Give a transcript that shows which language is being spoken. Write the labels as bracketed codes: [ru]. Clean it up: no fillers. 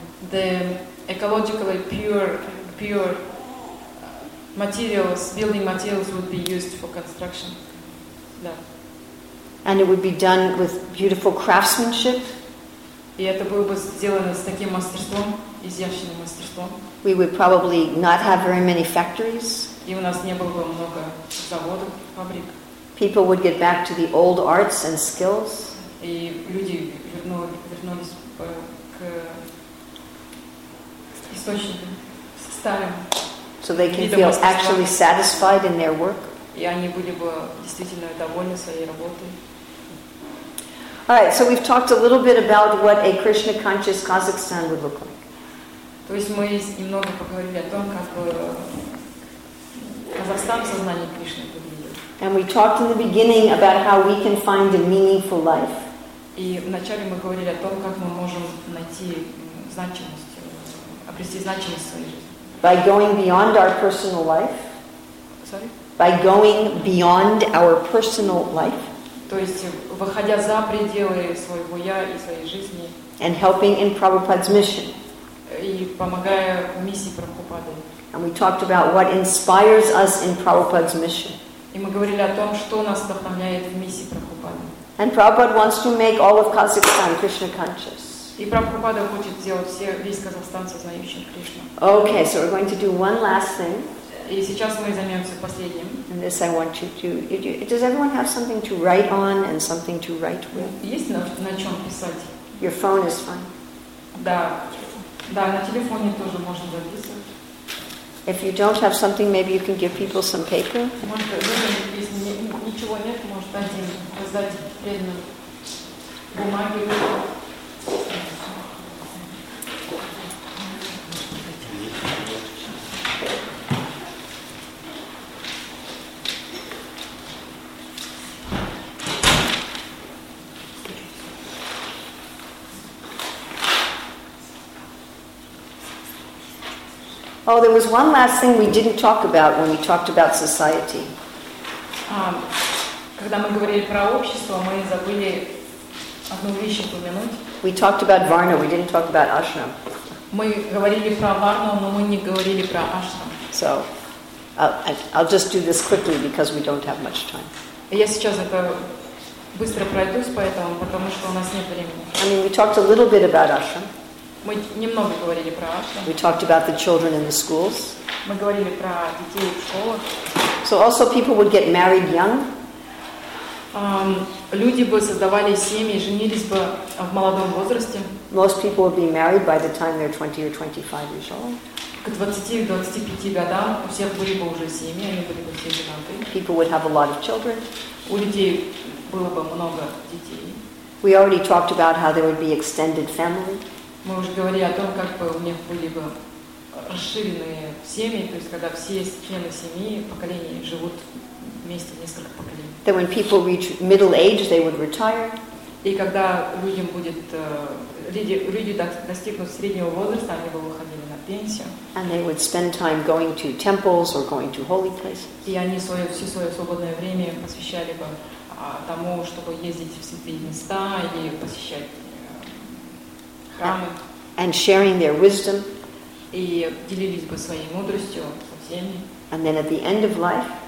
[en] The ecologically pure materials, building materials would be used for construction. [ru] Да. [en] And it would be done with beautiful craftsmanship. [ru] И это было бы сделано с таким мастерством, изящным мастерством. [en] We would probably not have very many factories. [ru] И у нас не было бы много заводов, фабрик. [en] People would get back to the old arts and skills. [ru] И люди вернулись к источникам, к старым. [en] So they can feel actually satisfied in their work. [ru] И они были бы действительно довольны своей работой. [en] All right, so we've talked a little bit about what a Krishna conscious Kazakhstan would look like. [ru] То есть мы немного поговорили о том, как Казахстан в сознании Кришны выглядит. [en] And we talked in the beginning about how we can find a meaningful life. [ru] И вначале мы говорили о том, как мы можем найти значимость, обрести значимость своей жизни. [en] By going beyond our personal life. Sorry? By going beyond our personal life. [ru] То есть, выходя за пределы своего «я» и своей жизни. [en] And helping in Prabhupada's mission. [ru] И помогая в миссии Прабхупады. [en] And we talked about what inspires us in Prabhupada's mission. [ru] И мы говорили о том, что нас вдохновляет в миссии Прабхупады. [en] And Prabhupada wants to make all of Kazakhstan Krishna conscious. [ru] И Прабхупада хочет сделать весь Казахстан сознающим Кришну. [en] Okay, so we're going to do one last thing. [ru] И сейчас мы займемся последним. [en] And this I want you to... Does everyone have something to write on and something to write with? [ru] Есть на чем писать? [en] Your phone is fine. [ru] Да. Да, на телефоне тоже можно записывать. [en] If you don't have something, maybe you can give people some paper. [ru] Может, если ничего нет, может, один раздать преданную бумаги. [en] Oh, there was one last thing we didn't talk about when we talked about society. [ru] Когда мы говорили про общество, мы забыли одну вещь упомянуть. [en] We talked about Varna, we didn't talk about ashram. [ru] Мы говорили про Варну, но мы не говорили про ашрам. [en] So, I'll just do this quickly because we don't have much time. [ru] Я сейчас это быстро пройдусь, потому что у нас нет времени. [en] I mean, we talked a little bit about ashram. [ru] Мы немного говорили про ашрам. [en] We talked about the children in the schools. [ru] Мы говорили про детей в школах. [en] So also people would get married young. [ru] Люди бы создавали семьи, женились бы в молодом возрасте. [en] Most people would be married by the time they're 20 or 25 years old. [ru] К 20-25 годам у всех были бы уже семьи, они были бы все женаты. [en] People would have a lot of children. [ru] У людей было бы много детей. [en] We already talked about how there would be extended family. [ru] Мы уже говорили о том, как бы у них были бы расширенные семьи, то есть когда все члены семьи, поколения живут вместе несколько поколений. [en] That when people reach middle age, they would retire. [ru] И когда людям будет люди достигнут среднего возраста, они бы выходили на пенсию. [en] And they would spend time going to temples or going to holy places. [ru] И они все свое свободное время посвящали бы тому, чтобы ездить в святые места и посещать храмы. [en] And sharing their wisdom. [ru] И делились бы своей мудростью со всеми. [en] And then at the end of life.